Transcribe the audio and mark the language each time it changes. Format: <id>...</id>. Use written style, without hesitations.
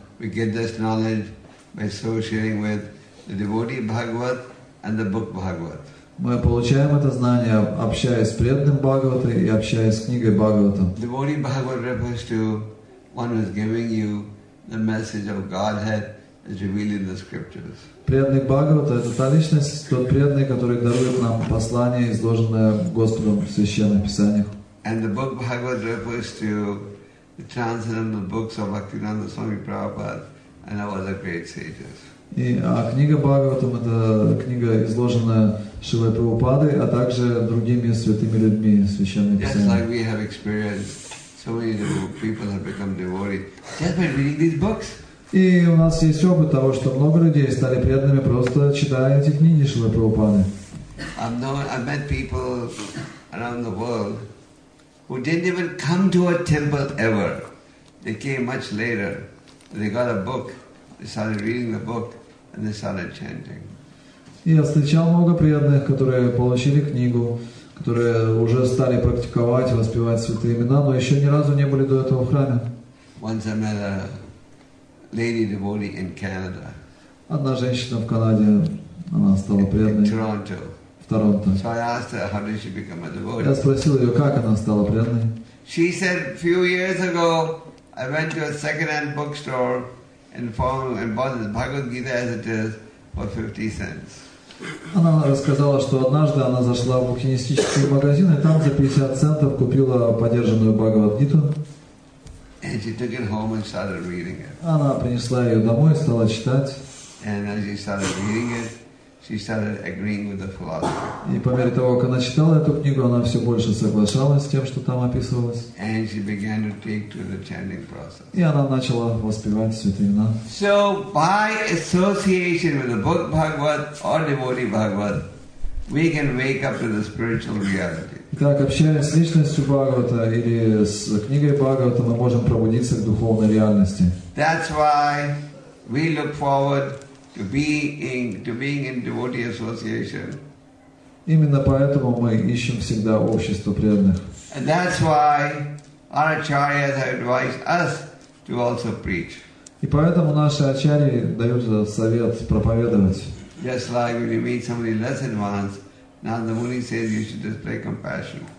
<en>We get this knowledge by associating with the devotee Bhagavat and the book Bhagavat.</en> <ru>Мы получаем это знание, общаясь с преданным Бхагаватой и общаясь с книгой Бхагаватом.</ru> <en>Devotee Bhagavat refers to one who is giving you the message of Godhead as revealed in the scriptures.</en> <ru>Преданный Бхагавата — это та личность, тот преданный, который дарует нам послание, изложенное Господом в Священных Писаниях.</ru> <en>And the book Bhagavat refers to the transcendental books of Bhaktivinoda Swami Prabhupada and other great sages.</en> <ru>И, а книга Бхагаватам — это книга, изложенная Шилой Прабхупадой, а также другими святыми людьми Священных Писаний.</ru> <en>Just like we have experienced, so many people have become devotees just by reading these books.</en> <ru>И у нас есть опыт того, что много людей стали преданными, просто читая эти книги Шилы Прабхупады.</ru> <en>I've met people around the world who didn't even come to a temple ever. They came much later. They got a book. They started reading the book and they started chanting.</en> <ru>Я встречал много преданных, которые получили книгу, которые уже стали практиковать, воспевать святые имена, но еще ни разу не были до этого в храме.</ru> <en>Once I met a lady devotee in Canada.</en> <ru>Одна женщина в Канаде, она стала преданной.</ru> <en>In Toronto.</en> <ru>В Торонто.</ru> <en>So I asked her, how did she become a devotee?</en> <ru>Я спросил ее, как она стала преданной.</ru> <en>She said, a few years ago, I went to a second-hand bookstore and bought the Bhagavad Gita as it is for 50 cents.</en> <ru>Она рассказала, что однажды она зашла в букинистический магазин и там за 50 центов купила подержанную Бхагавад-гиту.</ru> <en>And she took it home and started reading it.</en> <ru>Она принесла ее домой и стала читать.</ru> <en>And as she started reading it, She started agreeing with the philosopher.</en> <ru>И по мере того, как она читала эту книгу, она все больше соглашалась с тем, что там описывалось.</ru> <en>And she began to take to the chanting process.</en> <ru>И она начала воспевать святые имена.</ru> <en>So by association with the book Bhagavad or devotee Bhagavad, we can wake up to the spiritual reality.</en> <ru>Итак, общаясь с личностью Бхагавата или с книгой Бхагавата, мы можем пробудиться к духовной реальности.</ru> <en>That's why we look forward to being in devotee association.</en> <ru>Именно поэтому мы ищем всегда общество преданных.</ru> <en>And that's why our acharyas have advised us to also preach.</en> <ru>И поэтому наши ачарьи дают совет проповедовать.</ru> <en>Just like when you meet somebody less advanced, Narada Muni says you should display compassion.</en>